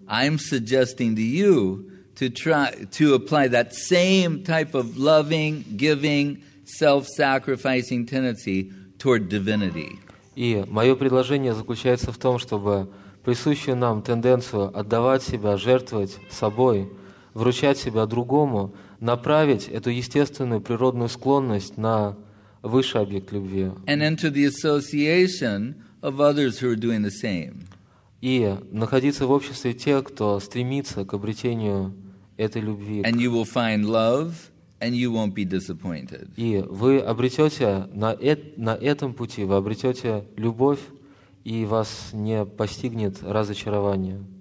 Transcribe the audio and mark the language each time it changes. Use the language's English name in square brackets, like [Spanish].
[English] I'm suggesting to you to apply that same type of loving, giving, self-sacrificing tendency toward divinity. [Russian] И мое предложение заключается в том, чтобы присущую нам тенденцию отдавать себя, жертвовать собой, вручать себя другому, направить эту естественную природную склонность на высший объект любви. [English] And enter the association of others who are doing the same. [Russian] И находиться в обществе тех, кто стремится к обретению этой любви. [English] And you will find love, and you won't be disappointed. [Russian] И вы обретете на этом пути вы обретете любовь, и вас не постигнет разочарование.